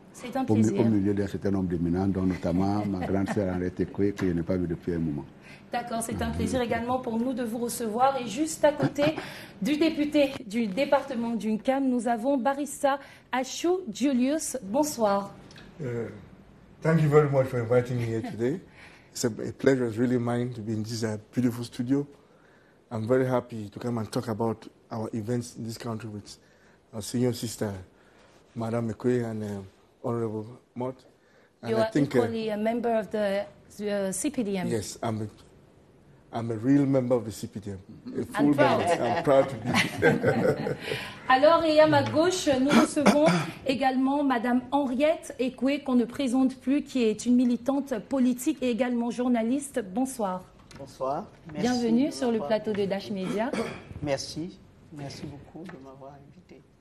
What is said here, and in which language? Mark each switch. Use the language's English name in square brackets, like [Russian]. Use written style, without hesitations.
[French] C'est un plaisir. Au milieu d'un certain nombre d'éminents, dont notamment ma grande sœur Henriette Ekwe, que je n'ai pas vue depuis un moment. D'accord, c'est un plaisir également pour nous de vous recevoir. Et juste à côté du député du département du CAM, nous avons Barista Achou Julius. Bonsoir. [English] Thank you very much for inviting me here today. It's a pleasure, it's really mine to be in this beautiful studio. I'm very happy to come and talk about our events in this country with our senior sister, Madame Ekwe, and Honorable Mott. And you are equally a member of the CPDM. Yes, I'm a real member of the CPDM. A full member. I'm proud to be. [French] Alors, et à ma gauche, nous recevons également Madame Henriette Ekwe, qu'on ne présente plus, qui est une militante politique et également journaliste. Bonsoir. Bonsoir. Merci. Bienvenue sur le plateau de Dash Media. Merci. Merci beaucoup de m'avoir invité.